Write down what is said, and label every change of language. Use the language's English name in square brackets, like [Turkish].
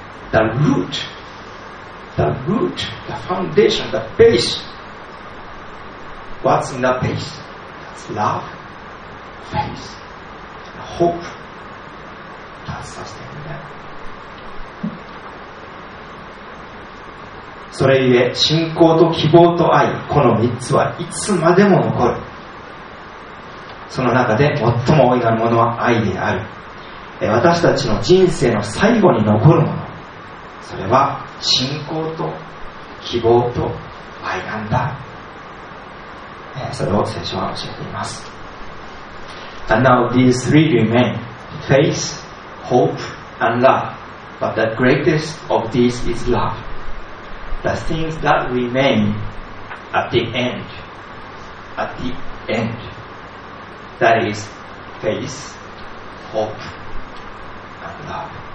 [English] The root, the foundation, the base. What's in that base? It's love, faith, and hope that sustains them. [Japanese] それゆえ信仰と希望と愛、この3つはいつまでも残る。その中で最も大いなるものは愛である。私たちの人生の最後に残るもの、それは信仰と希望と愛なんだ。それを聖書は教えています。 [English] And now these three remain: faith, hope and love. But the greatest of these is love. The things that remain at the end, that is faith, hope, and love.